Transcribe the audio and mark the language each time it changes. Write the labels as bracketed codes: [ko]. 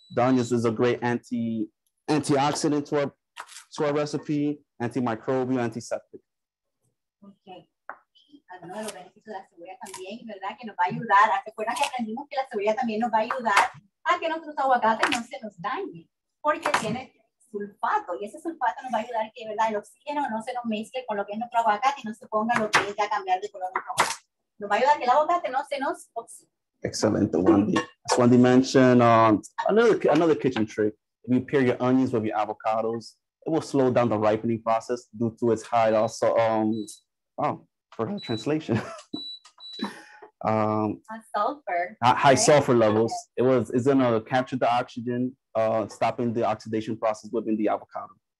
[en] The onions is a great antioxidant to our recipe, antimicrobial, antiseptic. Okay. [es] Uno de los beneficios de la cebolla también, ¿verdad? Que nos va a ayudar. Recuerden que aprendimos que la cebolla también nos va a ayudar a que nuestros aguacates no se nos dañen, porque tiene sulfato. Y ese sulfato nos va a ayudar que, ¿verdad?, el oxígeno no se nos mezcle con lo que es nuestro aguacate y no se ponga lo que es ya cambiar de color. Nos va a ayudar que el aguacate no se nos oxide. [en] Excellent, Wendy. As Wendy mentioned, another kitchen trick. If you pair your onions with your avocados, it will slow down the ripening process due to its high also. High sulfur levels. Okay. It's gonna capture the oxygen, stopping the oxidation process within the avocado.